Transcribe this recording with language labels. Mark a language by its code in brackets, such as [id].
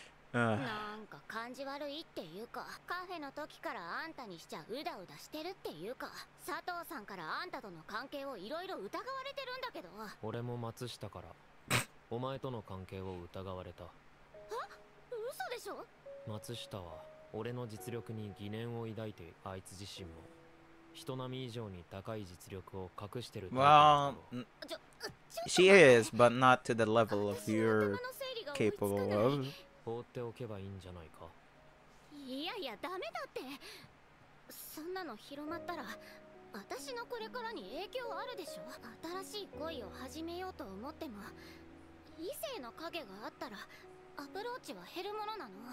[ja] なんか感じ悪いっていうか、カフェの時からあんたにしちゃうだうだしてるっていうか、佐藤さんからあんたとの関係をいろいろ疑われてるんだけど。俺も松下から。お前との関係を疑われた。は？嘘でしょ？松下は俺の実力に疑念を抱いて、あいつ自身も人並み以上に高い実力を隠してる。 [en] Well, she is, but not to the level of you're capable of. [ja] 放っておけばいいんじゃないか。いやいや、ダメだって。そんなの広まったら私のこれからに影響あるでしょ。新しい恋を始めようと思っても異性の影があったらアプローチは減るものなの。